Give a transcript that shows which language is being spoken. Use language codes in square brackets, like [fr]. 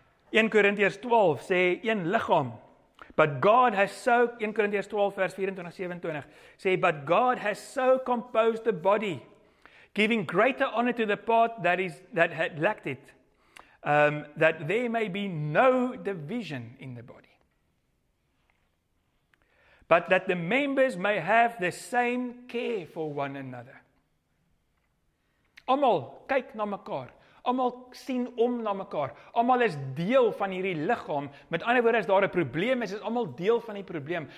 [af] 1 Korintiërs 12 sê een liggaam. [en] But God has so [af] 1 Korintiërs 12 vers 24-27 sê [en] but God has so composed the body giving greater honor to the part that had lacked it. That there may be no division in the body. But that the members may have the same care for one another. [af] Almal kyk na mekaar. Almal sien om na mekaar. Almal is deel van hierdie liggaam. Met ander woorde, as daar 'n probleem is, is almal deel van die probleem.